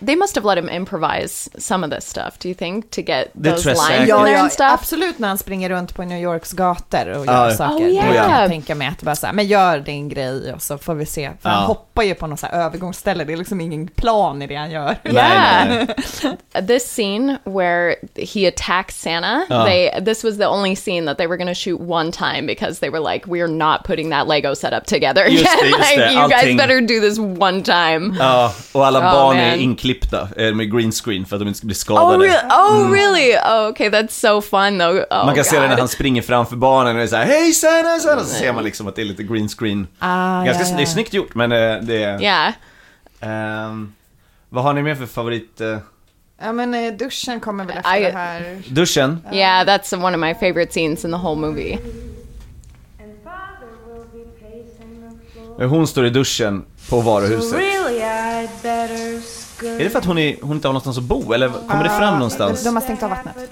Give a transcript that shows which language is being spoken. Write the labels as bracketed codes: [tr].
[en] They must have let him improvise some of this stuff. Do you think to get those lines in there and stuff? [sv] Absolut, när han springer runt på New Yorks gator och gör saker. [en] Oh, yeah. [sv] Jag tänker mig att bara så här, men gör din grej och så får vi se. För han hoppar ju på något så här övergångsställe. Det är liksom ingen plan i det han gör. Nej. [en] This scene where he attacks Santa. This was the only scene that they were going to shoot one time because they were like, we are not putting that Lego setup together. You guys better do this one time. [sv] Och alla barn är inklippta med green screen för att de inte ska bli skadade. [en] Oh really? Oh, okay, that's so fun though. Oh, [sv] man kan [en] God. [sv] Se det när han springer framför barnen och är så här, hej Santa, Santa. Så ser man liksom att det är lite green screen. Det är snyggt gjort, men det är... [en] Yeah. [sv] Vad har ni mer för favorit... Duschen kommer väl efter det här. Duschen? [en] Yeah, that's one of my favorite scenes in the whole movie. [sv] Hon står i duschen på varuhuset. Really, är det för att hon inte har någonstans att bo? Eller kommer det fram någonstans? De har stängt av vattnet.